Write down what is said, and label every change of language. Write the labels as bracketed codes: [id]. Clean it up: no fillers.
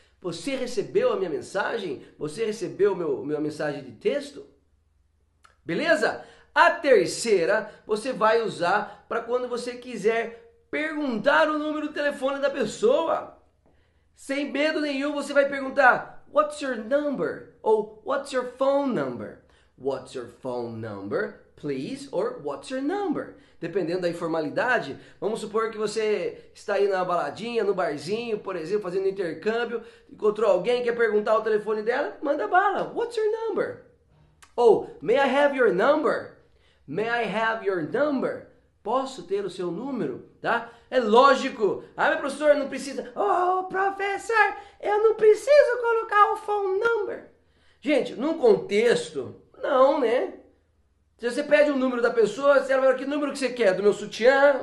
[pt] Você recebeu a minha mensagem? Você recebeu a minha mensagem de texto? Beleza? A terceira você vai usar para quando você quiser perguntar o número do telefone da pessoa. Sem medo nenhum, você vai perguntar, [en] what's your number? [pt] Ou [en] what's your phone number? What's your phone number, please? Or what's your number? [pt] Dependendo da informalidade, vamos supor que você está aí na baladinha, no barzinho, por exemplo, fazendo intercâmbio, encontrou alguém, quer perguntar o telefone dela, manda bala, [en] what's your number? [pt] Ou, [en] may I have your number? May I have your number? [pt] Posso ter o seu número, tá? É lógico. Ah, meu professor, não precisa. Oh, professor, eu não preciso colocar o phone number. Gente, num contexto, não, né? Se você pede o número da pessoa, você vai falar, que número que você quer? Do meu sutiã?